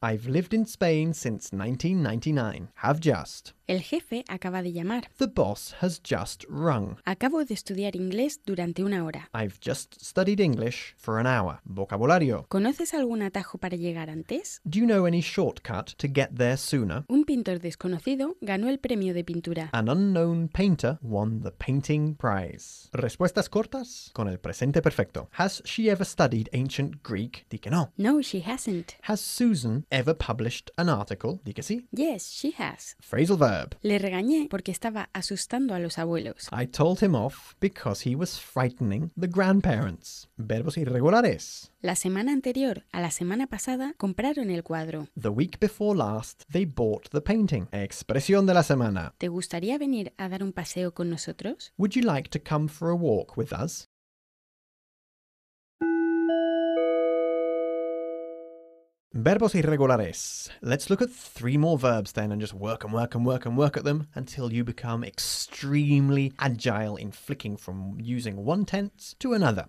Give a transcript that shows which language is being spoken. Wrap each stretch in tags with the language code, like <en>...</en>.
<en>I've lived in Spain since 1999. Have just.</en> <es>El jefe acaba de llamar.</es> <en>The boss has just rung.</en> <es>Acabo de estudiar inglés durante una hora.</es> <en>I've just studied English for an hour. Vocabulario.</en> <es>¿Conoces algún atajo para llegar antes?</es> <en>Do you know any shortcut to get there sooner?</en> <es>Un pintor desconocido ganó el premio de pintura.</es> <en>An unknown painter won the painting prize.</en> <es>Respuestas cortas con el presente perfecto.</es> <en>Has she ever studied ancient Greek?</en> <es>Di que no.</es> <en>No, she hasn't. Has Susan ever published an article?</en> <es>Di que sí.</es> <en>Yes, she has. Phrasal verb.</en> <es>Le regañé porque estaba asustando a los abuelos.</es> <en>I told him off because he was frightening the grandparents.</en> <es>Verbos irregulares. La semana anterior a la semana pasada compraron el cuadro.</es> <en>The week before last, they bought the painting.</en> <es>Expresión de la semana. ¿Te gustaría venir a dar un paseo con nosotros?</es> <en>Would you like to come for a walk with us?</en> <es>Verbos irregulares.</es> <en>Let's look at 3 more verbs then and just work and work and work and work at them until you become extremely agile in flicking from using one tense to another.</en>